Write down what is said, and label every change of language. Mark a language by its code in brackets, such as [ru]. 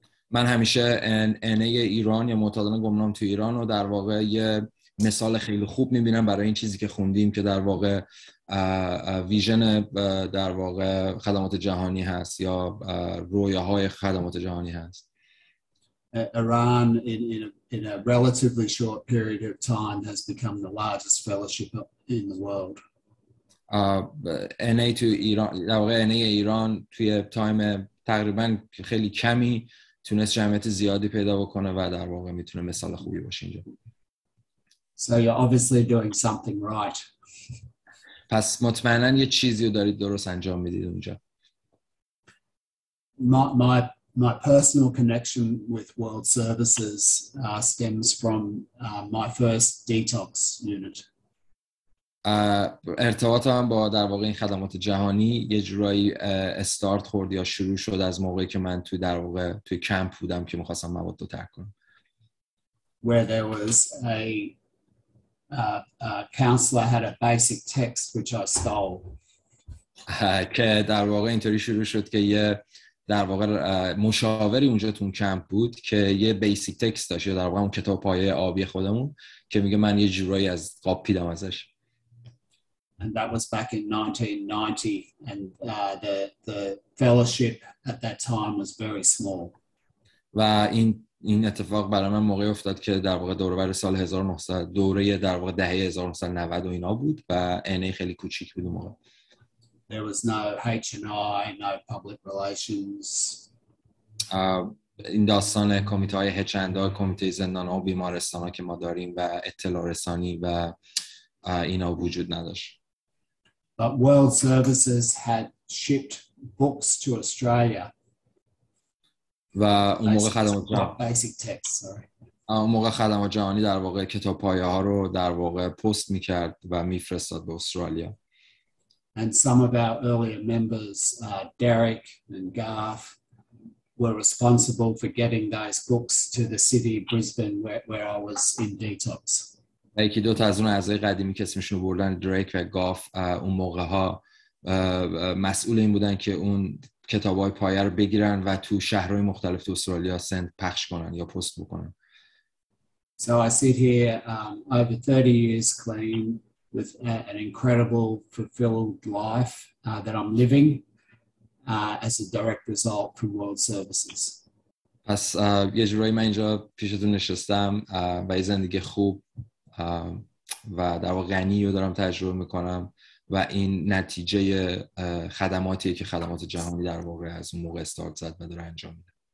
[fa] من همیشه NA ایران یا معتادان گمنام تو ایران رو در واقع یه مثال خیلی خوب می‌بینم برای این چیزی که خوندیم که در واقع ویژن در واقع خدمات جهانی هست یا رویاهای خدمات جهانی هست. [en] Iran in a relatively short period of time has become the largest fellowship in the world. NA to Iran, [fa] در واقع NA ایران توی تایم تقریبا خیلی کمی تونست جمعیت زیادی پیدا بکنه و در واقع میتونه مثال خوبی باشه اینجا. [en] So you're obviously doing something right. [fa] پس مطمئنا یه چیزی رو دارید درست انجام میدید اونجا. [en] My my personal connection with World Services stems from my first detox unit. [fa] ارتباطم با در واقع این خدمات جهانی یه جورایی استارت خورد یا شروع شد از موقعی که من تو در واقع تو کمپ بودم که می‌خواستم مواد رو ترک کنم. [en] Where there was a counselor had a basic text which I stole. [fa] که در واقع اینطوری شروع شد که یه در واقع مشاوری اونجا تو کمپ بود که یه بیسیک تکست داشت، یا در واقع اون کتاب پایه آبی خودمون، که میگه من یه جورایی از قاب پیدم ازش. [en] And that was back in 1990 and the fellowship at that time was very small. [fa] و این اتفاق برای من موقعی افتاد که در واقع دوره بر سال 1900 دوره در واقع دهه 1990 و اینا بود و اینه خیلی کوچیک بود اون موقع. [en] There was no H&I, no public relations. [fa] این داستان کمیته های H&I، کمیته زندان ها و بیمارستان ها که ما داریم و اطلاع رسانی و اینا وجود نداشت. [en] But World Services had shipped books to Australia. [fa] و اون موقع خدمات [en] basic text, sorry. [fa] اون موقع خدمات جهانی در واقع کتاب پایه ها رو در واقع پست می کرد و می فرستاد به استرالیا. [en] And some of our earlier members, Derek and Garth, were responsible for getting those books to the city of Brisbane where I was in detox. [fa] یکی دو تا از اون اعضای قدیمی که اسمشون رو بردن، دریک و گاف، اون موقع ها مسئول این بودن که اون کتاب های پایه رو بگیرن و تو شهرهای مختلف تو استرالیا سند پخش کنن یا پست بکنن. [en] So I sit here over 30 years clean with an incredible fulfilled life that I'm living as a direct result from World Services. [fa] پس یه جورایی من اینجا پیشتون نشستم و یه زندگی خوب و در واقع غنی رو دارم تجربه میکنم و این نتیجه خدماتیه که خدمات جهانی در واقع از اون موقع استارت زد و داره انجام میده.